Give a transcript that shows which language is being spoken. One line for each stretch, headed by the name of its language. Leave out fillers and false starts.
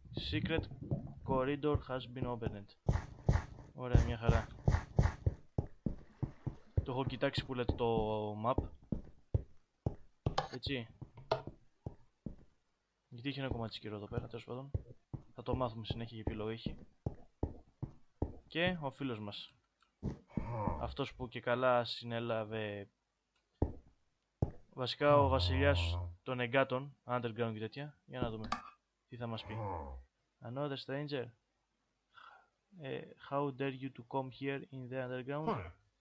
English: Secret corridor has been opened.
Greek: Ωραία, μια χαρά. Το έχω κοιτάξει που λέτε το map. Έτσι. Γιατί είχε ένα κομμάτι σκυρό εδώ πέρα, τέλος πάντων. Θα το μάθουμε συνέχεια για επιλογή έχει. Και ο φίλος μας. Αυτός που και καλά συνέλαβε. Βασικά ο βασιλιάς των εγκάτων, underground και τέτοια. Για να δούμε τι θα μας πει.
English: Another stranger. How dare you to come here in the underground?